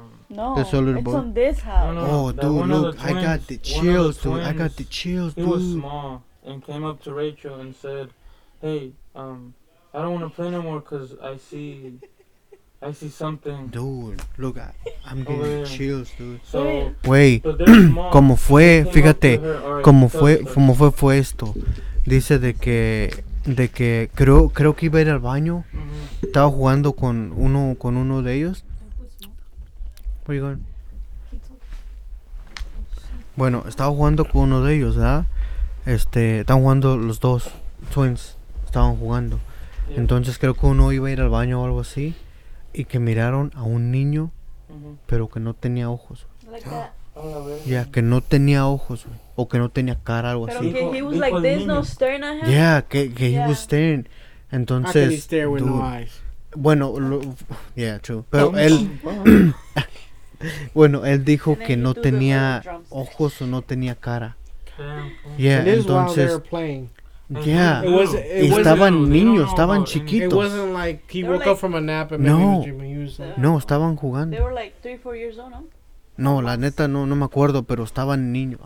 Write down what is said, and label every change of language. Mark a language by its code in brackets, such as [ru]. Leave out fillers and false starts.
[en] It's on this house. I got the chills, dude. He was small and came up to Rachel and said, hey, I don't want to play no more because I see something. Dude, look, I'm getting chills, dude. So, [es] wait, como fue, fíjate, como fue, como fue, fue esto. Dice de que creo que iba a ir al baño. Mm-hmm. Estaba jugando con uno de ellos. [en] Where are you going? [es] Bueno, estaba jugando con uno de ellos, ¿verdad? Estaban jugando los dos twins. Estaban jugando. Entonces creo que uno iba a ir al baño o algo así. Y que miraron a un niño. Mm-hmm. Pero que no tenía ojos. [en] Like that. [es] Yeah, que no tenía ojos, güey. O que no tenía cara, algo pero así. Pero que [en] he was like this, no staring at him. Yeah, que yeah. He was staring. [es] Entonces, [en] how can he stare with no eyes? Bueno, yeah, true. [es] Pero él, bueno, él dijo que no tenía ojos o no tenía cara. [en] Yeah, entonces. Yeah, it was [es] estaban niños, no, estaban chiquitos. [en] It wasn't like he woke like, up from a nap and no, maybe he was [es] no, estaban jugando. [en] They were like 3-4 years old, no? [es] No, la neta no me acuerdo, pero estaba niño.